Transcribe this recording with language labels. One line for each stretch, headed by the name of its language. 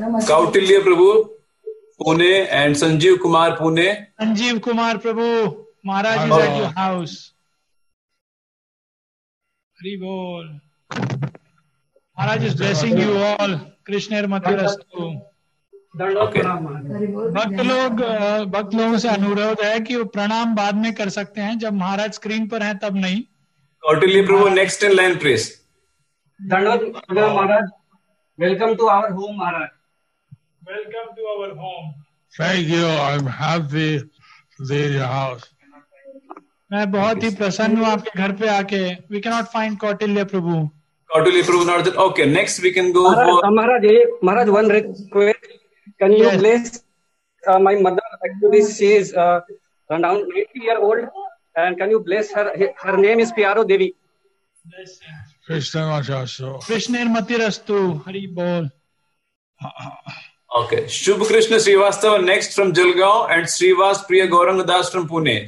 English: Kautilya Prabhu, Pune, and Sanjeev Kumar, Pune. Sanjeev Kumar Prabhu, Maharaj is at your house. Hari Bol. Maharaj is blessing you all.
Sanskrit: Krishna Matirastu.
Hindi: भक्त लोग भक्त लोगों से अनुरोध है कि वो प्रणाम बाद में कर सकते हैं जब महाराज स्क्रीन पर हैं तब नहीं.
English: Kautilya Prabhu, next in line, please.
Hindi: दंडवत प्रणाम
English: महाराज. Welcome to our home महाराज. Welcome to our home. Thank you. I am happy there your house.
Hindi: मैं बहुत ही प्रसन्न हूँ आपके घर पे आके.
English: We cannot find Kautilya Prabhu. Kautilya Prabhu, not that. Okay, next we can go. महाराज महाराज one request. Can you bless my mother? Actually, she is around 80 years old. And can you bless her? Her name is Piyaro Devi.
Sanskrit: Krishna Matirastu. Krishna Matirastu. Hari Bol.
English: Okay. Shubh Krishna Srivastava, next from Jalgaon. And Srivast Priya Gauranga Das from Pune.